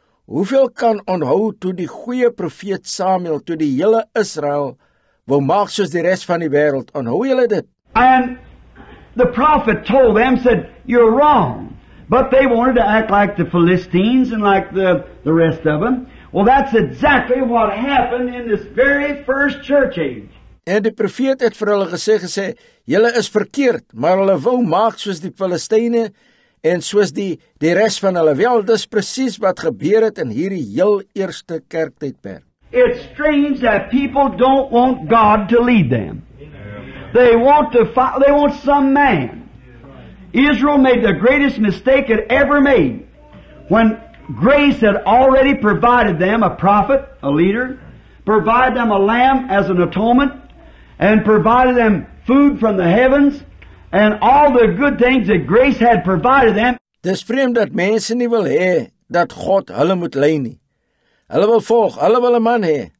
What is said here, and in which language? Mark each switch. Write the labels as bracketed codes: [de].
[af] Hoeveel kan onthou toe die goeie profeet Samuel, toe die hele Israel, wil maak soos die rest van die wereld? Onthou julle dit? [en] And the prophet told them, said, you're wrong. But they wanted to act like the Philistines and like the rest of them. Well, that's exactly what happened in this very first church age. [af] En die profeet het vir hulle gesê, julle is verkeerd, maar hulle wou maak soos die Filistyne en soos die rest van hulle. Wel, dis precies wat gebeur het in hierdie heel eerste kerktydperk. [en] It's strange that people don't want God to lead them. They want to they want some man. Israel made the greatest mistake it ever made when grace had already provided them a prophet, a leader, provided them a lamb as an atonement, and provided them food from the heavens, and all the good things that grace had provided them. [af] Dis vreemd dat mense nie wil hê dat God hulle moet lei nie. Hulle wil volg, hulle wil 'n man hê.